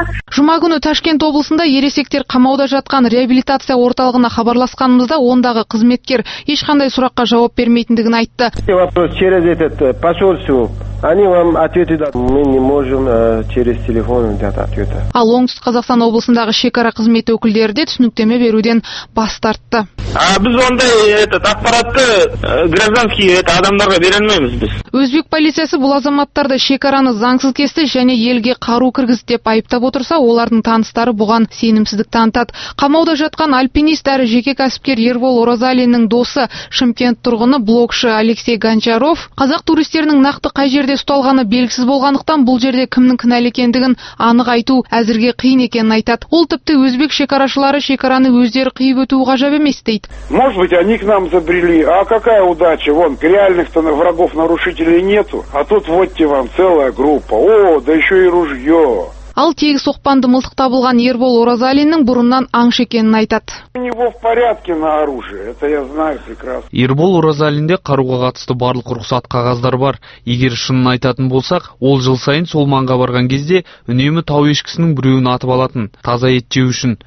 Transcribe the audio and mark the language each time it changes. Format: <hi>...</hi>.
<kk>Жұма күні Ташкент облысында ересектер қамауда жатқан реабилитация орталығына хабарласқанымызда ондағы қызметкер ешқандай сұраққа жауап бермейтіндігін айтты.</kk> <ru>Вопрос через этот посольство. Они вам ответили, мы не можем через телефон дать ответа.</ru> <kk>Ал оңтүстік Қазақстан облысындағы шекара қызметі өкілдері де түсініктеме беруден бас тартты. Біз ондай ақпаратты гражданский адамдарға бере алмаймыз біз. Өзбек полициясы бұл азаматтарды шекараны заңсыз кесті және елге қару кіргізді деп айыптап отырса, олардың таныстары бұған сенімсіздік танытады. Қамауда жатқан альпинист әрі жеке кәсіпкер Ербол Оразалиннің досы Шымкент тұрғыны блогшы Алексей Гончаров қазақ туристерінің нақты қай жерде ұсталғаны белгісіз болғандықтан бұл жерде кімнің кінәлі екендігін анық айту әзірге қиын екенін айтады. Ол тіпті өзбек шекарашылары шекараны өздері қиып өтуі ғажап емес, дейді.</kk> <ru>Может быть, они к нам забрели. А какая удача? Вон, реальных-то врагов-нарушителей нету. А тут вот тебе вам целая группа. О, да еще и ружье.</ru> <kk>Ал тегіс оқпанды мылтықта болған Ербол Оразалиннің бұрыннан аңшы екенін айтады. Ербол Оразалинде қаруға қатысты барлық рұқсат қағаздар бар. Егер шынын айтатын болсақ, ол жыл сайын сол маңға барған кезде үнемі тау ешкісінің біреуін атып алатын, таза еттеу үшін.</kk>